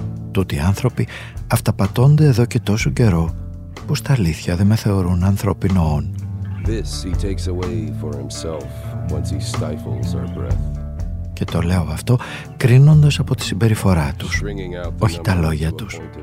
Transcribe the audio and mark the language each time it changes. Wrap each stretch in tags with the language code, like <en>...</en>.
<el>Τούτοι οι άνθρωποι αυταπατώνται εδώ και τόσο καιρό που στα αλήθεια δεν με θεωρούν ανθρώπινο όν.</el> <en>This he takes away for himself once he stifles our breath.</en> <el>Και το λέω αυτό κρίνοντας από τη συμπεριφορά τους, όχι τα λόγια τους.</el>